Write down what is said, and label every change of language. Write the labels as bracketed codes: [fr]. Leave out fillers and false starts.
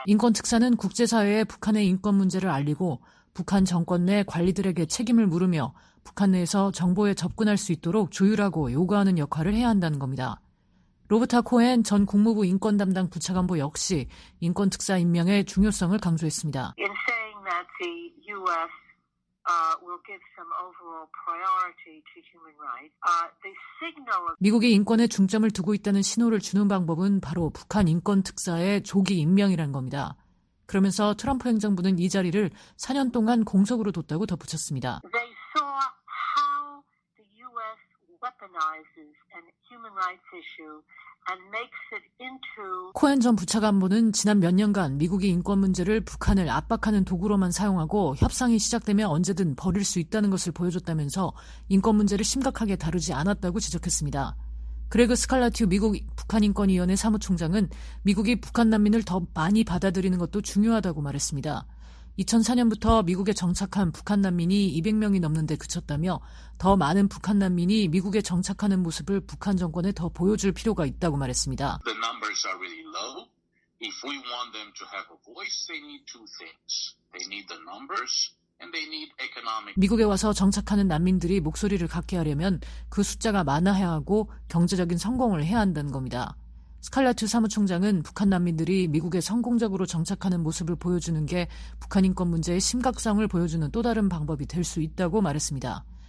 [ko] 인권 특사는 국제 사회에 북한의 인권 문제를 알리고 북한 정권 내 관리들에게 책임을 물으며 북한 내에서 정보에 접근할 수 있도록 조율하고 요구하는 역할을 해야 한다는 겁니다. 로버타 코헨 전 국무부 인권 담당 부차관보 역시 인권 특사 임명의 중요성을 강조했습니다. [en] In saying that the US will give some overall priority to human rights. The signal of [ko] 미국이 인권에 중점을 두고 있다는 신호를 주는 방법은 바로 북한 인권 특사의 조기 임명이란 겁니다. 그러면서 트럼프 행정부는 이 자리를 4년 동안 공석으로 뒀다고 덧붙였습니다. [en] They saw how the US weaponizes a human rights issue. [ko] 코헨 전 부차관보는 지난 몇 년간 미국이 인권 문제를 북한을 압박하는 도구로만 사용하고 협상이 시작되면 언제든 버릴 수 있다는 것을 보여줬다면서 인권 문제를 심각하게 다루지 않았다고 지적했습니다. 그레그 스칼라티우 미국 북한인권위원회 사무총장은 미국이 북한 난민을 더 많이 받아들이는 것도 중요하다고 말했습니다. 2004년부터 미국에 정착한 북한 난민이 200명이 넘는 데 그쳤다며 더 많은 북한 난민이 미국에 정착하는 모습을 북한 정권에 더 보여줄 필요가 있다고 말했습니다. [en] The numbers are really low. If we want them to have a voice, they need two things. They need the numbers and they need economic. [ko] 미국에 와서 정착하는 난민들이 목소리를 갖게 하려면 그 숫자가 많아야 하고 경제적인 성공을 해야 한다는 겁니다. 스칼라트 사무총장은 북한 난민들이 미국에 성공적으로 정착하는 모습을 보여주는 게 북한 인권 문제의 심각성을 보여주는 또 다른 방법이 될 수 있다고 말했습니다.